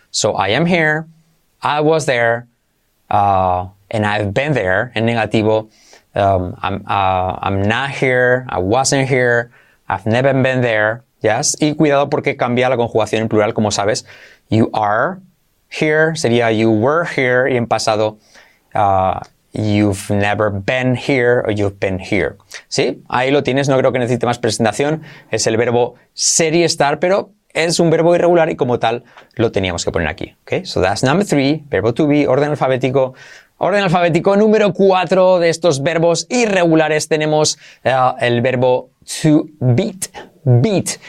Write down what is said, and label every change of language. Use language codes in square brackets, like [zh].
[en] So I am here, I was there, and I've been there, [es] en negativo. [en] I'm not here, I wasn't here, I've never been there, yes? [es] Y cuidado porque cambia la conjugación en plural, como sabes. [en] You are here, [es] sería [en] you were here, [es] y en pasado, [en] you've never been here, or you've been here. [es] ¿Sí? Ahí lo tienes, no creo que necesite más presentación. Es el verbo ser y estar, pero es un verbo irregular y como tal lo teníamos que poner aquí. Okay? [en] So that's number 3, [es] verbo to be, orden alfabético. Orden alfabético número 4 de estos verbos irregulares tenemos el verbo to beat. Beat.